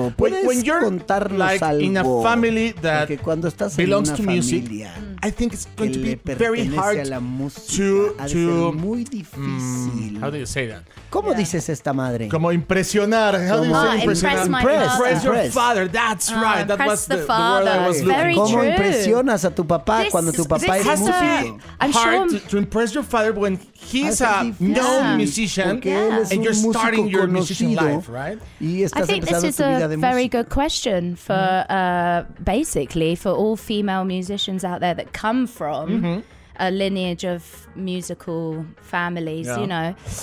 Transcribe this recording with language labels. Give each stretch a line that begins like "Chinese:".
English: when you're like in a family that belongs to music, I think it's going to be very hard to
Spanish: muy difícil.
English: How do you say that?
Spanish: ¿Cómo dices esta madre? Como impresionar.
English: Impress your father. That's right. That was the word I was looking for.
Spanish: ¿Cómo impresionas a tu papá cuando tu papá es músico?
English: It has to be hard to impress your father when he's a known musician and you're starting your musician life, right?
Spanish: Y estás empezando tu vida de
English: músico. I think this is a very good question for basically for all female musicians out there that come from a lineage of musical families, you know.